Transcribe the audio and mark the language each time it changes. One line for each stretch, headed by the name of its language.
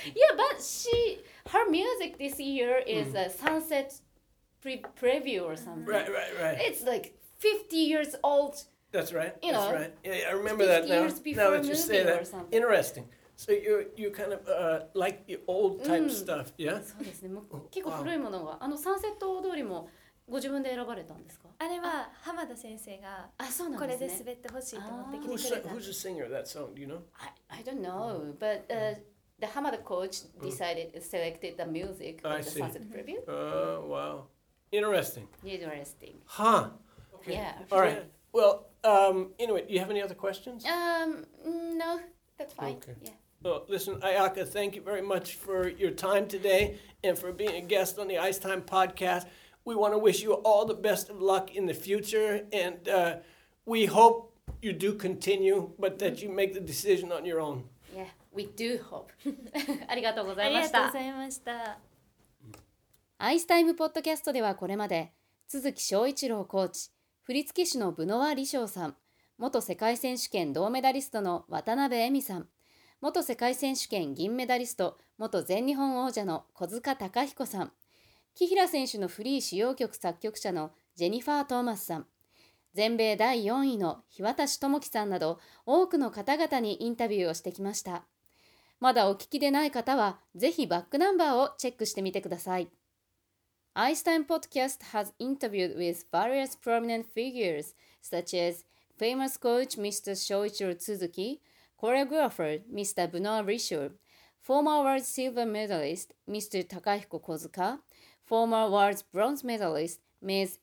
English: Yeah, but her music this year is a sunset preview or something. Right. It's like 50 years old. That's right. You know, that's right. Yeah, I remember that now. 50 years before the movie or something. Interesting. So you kind of like the old type stuff, yeah?
Japanese: そうですね。もう結構古いものは、サンセット通りもご自分で選ばれたんですか？あれは浜田先生がこれで滑ってほしいと思ってきてくれた。
English: Who's the singer of that song? Do you know? I don't know, but the Hamada coach decided selected the music of the sunset preview. Oh, wow, interesting. Interesting. Huh? Okay. Yeah. All right. Well, anyway, do you have any other questions? No, that's fine. Okay. Yeah. Well, listen, Ayaka, thank you very much for your time today and for being a guest on the Ice Time podcast. We want to wish you all the best of luck in the future, and we hope you do continue, but that you make the decision on your own. Yeah. We do hope.
Japanese: ありがとうございました。ありがとうございました。アイスタイムポッドキャストではこれまで、都築章一郎コーチ、振付師のブノワ・リショウさん、元世界選手権銅メダリストの渡辺恵美さん、元世界選手権銀メダリスト、元全日本王者の小塚貴彦さん、紀平選手のフリー使用曲作曲者のジェニファー・トーマスさん、全米第4位の日渡智樹さんなど、多くの方々にインタビューをしてきました。まだお聞きでない方は、ぜひバックナンバーをチェックしてみてください。
English: Einstein Podcast has interviewed with various prominent figures, such as famous coach Mr. Shoichiro Tsuzuki, choreographer Mr. Bunoa Rishur, former World Silver Medalist Mr. Takahiko Kozuka, former World Bronze Medalist Ms.